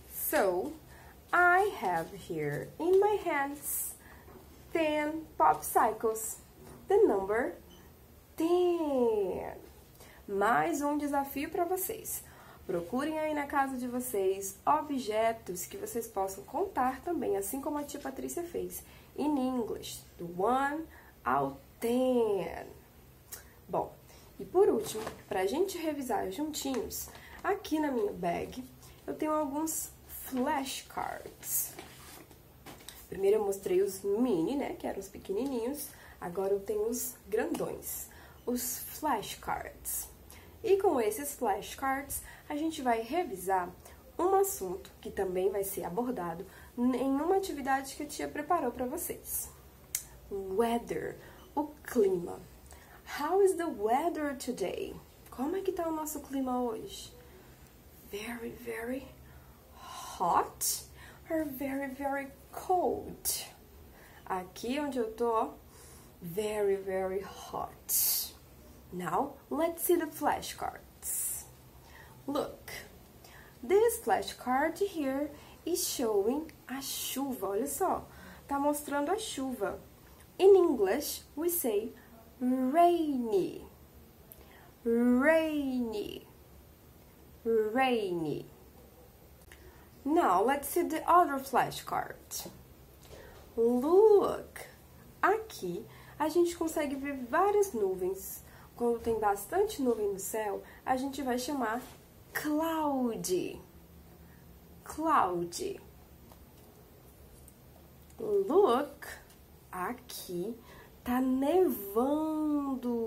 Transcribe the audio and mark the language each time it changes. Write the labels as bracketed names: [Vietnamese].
[English] So, I have here in my hands 10 pop cycles, the number 10. [Portuguese] Mais um desafio para vocês. Procurem aí na casa de vocês objetos que vocês possam contar também, assim como a tia Patrícia fez, in English, do 1 ao 10. Bom, e por último, para a gente revisar juntinhos, aqui na minha bag eu tenho alguns flashcards. Primeiro eu mostrei os mini, né, que eram os pequenininhos. Agora eu tenho os grandões, os flashcards. E com esses flashcards, a gente vai revisar um assunto que também vai ser abordado em uma atividade que a tia preparou para vocês. Weather, o clima. [English] How is the weather today? [Portuguese] Como é que tá o nosso clima hoje? [English] Very, very hot or very, very cold? [Portuguese] Aqui onde eu tô, [English] very, very hot. Now, let's see the flashcards. Look, this flashcard here is showing [Portuguese] a chuva. Olha só, tá mostrando a chuva. [English] In English, we say rainy. Rainy. Rainy. Now, let's see the other flashcard. Look! [Portuguese] Aqui, a gente consegue ver várias nuvens. Quando tem bastante nuvem no céu, a gente vai chamar cloudy. [English] Cloudy. [Portuguese] Look! Aqui, tá nevando.